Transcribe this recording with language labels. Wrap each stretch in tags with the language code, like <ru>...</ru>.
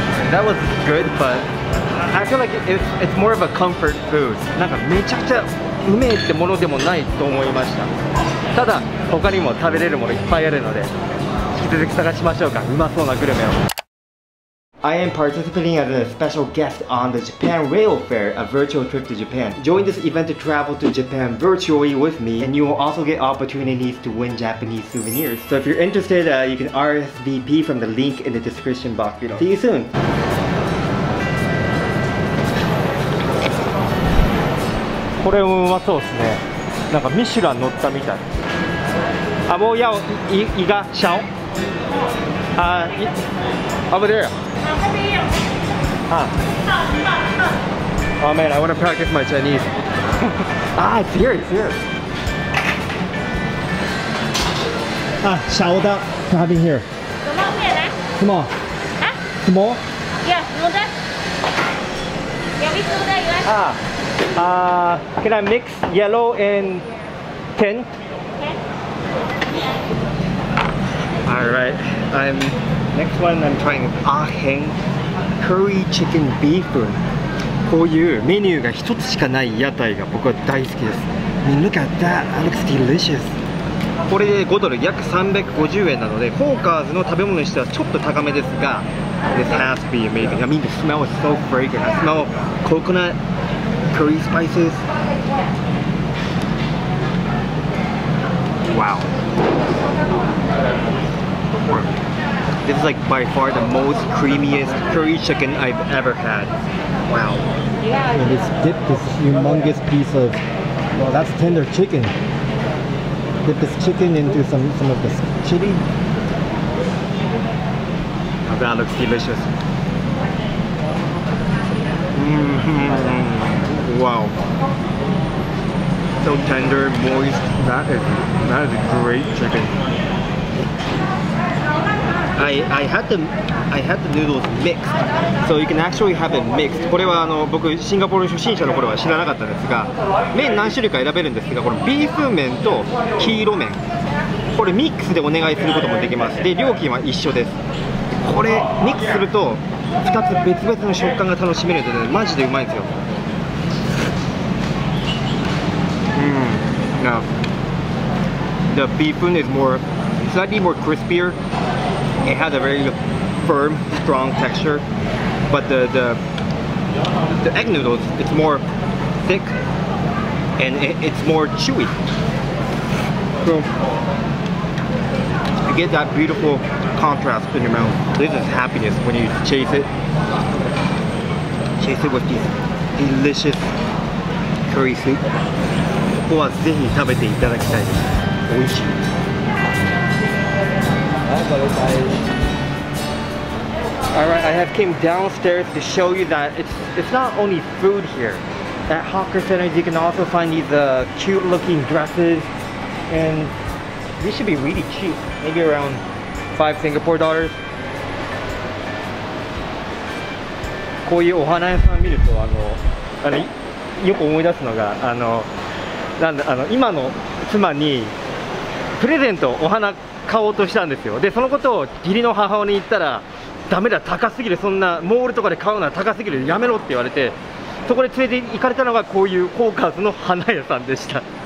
<en>That was good, but I feel like it's more of a comfort food.</en> <ja>なんかめちゃくちゃうめえってものでもないと思いました。</ja> <en>I am participating as a special guest on the Japan Rail Fair, a virtual trip to Japan. Join this event to travel to Japan virtually with me, and you will also get opportunities to win Japanese souvenirs. So if you're interested, you can RSVP from the link in the description box below. See you soon!</en> <ja>これもうまそうですね。なんかミシュラン乗ったみたい。あ、もうやお、い、いが、シャオ。あ、い、あぶれや。 Huh.</ja> <en>Oh man, I want to practice my Chinese. Ah, it's here, it's here. Ah, shout out to having here. Come on, here, eh? Come on. Huh? Come on? Yeah, come there. Yeah, we come there, you guys. Ah, can I mix yellow and tint? Yeah. Alright, I'm. Next one, I'm trying Heng. Curry chicken beef.</en> <ja>こういうメニューが一つしかない屋台が僕は大好きです。</ja> <en>I mean, look at that. That looks delicious.</en> <ja>これで5ドル、約350円なので、ホーカーズの食べ物にしてはちょっと高めですが、</ja> <en>This has to be amazing. I mean, the smell is so fragrant. I smell coconut, curry spices. Wow. This is like by far the most creamiest curry chicken I've ever had. Wow. Yeah. And it's dipped this humongous piece of, well, that's tender chicken. Dip this chicken into some of this chili. Now that looks delicious. Mm-hmm. Wow. So tender, moist. That is a great chicken. I had the noodles mixed, so you can actually have it mixed.</en> <ja>これはあの僕シンガポール初心者の頃は知らなかったんですが、麺何種類か選べるんですが、このビーフ麺と黄色麺、これミックスでお願いすることもできます。で、料金は一緒です。これミックスすると2つ別々の食感が楽しめるので、マジでうまいんですよ。</ja> <en>The beef is more slightly more crispier. It has a very firm, strong texture, but the egg noodles, it's more thick and it's more chewy. So, you get that beautiful contrast in your mouth. This is happiness when you chase it with this delicious curry soup.</en> <ja>ここはぜひ食べていただきたいです。美味しい。</ja> <en>Alright, I have came downstairs to show you that it's not only food here. At hawker centers, you can also find these cute looking dresses. And these should be really cheap, maybe around 5 Singapore dollars.</en> <ja>こういうお花屋さん見ると、あのよく思い出すのが、あの今の妻にプレゼント、お花買おうとしたんですよ。で、そのことを義理の母親に言ったら、ダメだ、高すぎる、そんなモールとかで買うのは高すぎる、やめろって言われて、そこで連れて行かれたのが、こういうホーカーズの花屋さんでした。</ja>